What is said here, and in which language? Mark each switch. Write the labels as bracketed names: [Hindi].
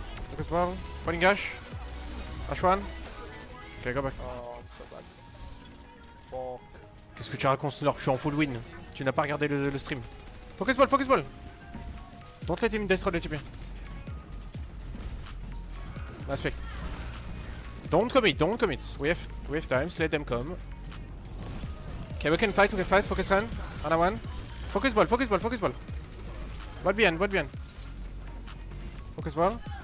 [English] Focus ball. Pulling Ash. Ash one. Okay, go back. Oh, I'm so bad. Fuck. [French] Qu'est-ce que tu racontes, Snorp? Je suis en full win. Tu n'as pas regardé le stream. [English] Focus ball, focus ball. Don't let him destroy the TP. Aspect. Don't commit, don't commit. We have times, let them come. Okay, we can fight, focus run. Another one. Focus ball, focus ball, focus ball. Ball behind, ball behind. Focus ball.